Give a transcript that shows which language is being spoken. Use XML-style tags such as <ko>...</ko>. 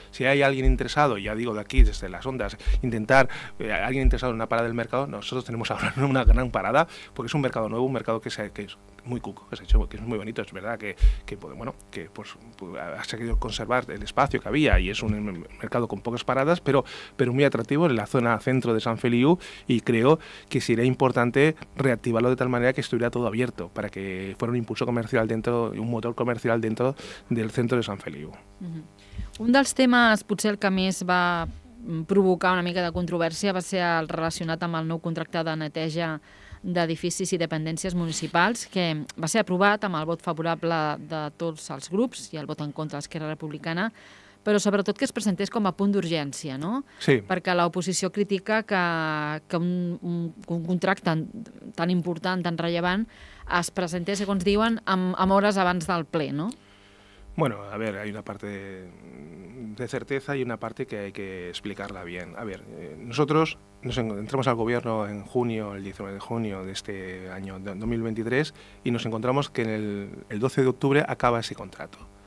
<es>Si hay alguien interesado, ya digo de aquí, desde las ondas, alguien interesado en una parada del mercado, nosotros tenemos ahora una gran parada, porque es un mercado nuevo, un mercado que es muy cuco, que es muy bonito, es verdad que se ha querido conservar el espacio que había y es un mercado con pocas paradas, pero muy atractivo en la zona centro de San Feliu, y creo que sería importante reactivarlo de tal manera que estuviera todo abierto para que fuera un impulso comercial dentro, un motor comercial dentro del centro de San Feliu.</es> <ca>Un dels temes, potser el que més va provocar una mica de controvèrsia va ser el relacionat amb el nou contracte de neteja d'edificis i dependències municipals, que va ser aprovat amb el vot favorable de tots els grups i el vot en contra d'Esquerra Republicana, però sobretot que es presentés com a punt d'urgència, no? Sí. Perquè l'oposició critica que un contracte tan important, tan rellevant, es presentés, segons diuen, amb hores abans del ple, no?</ca> <es>Bueno, a ver, hay una parte de certeza y una parte que hay que explicarla bien. A ver, nosotros nos entramos al gobierno en junio, el 19 de junio de este año 2023, y nos encontramos que el 12 de octubre acaba ese contrato.</es>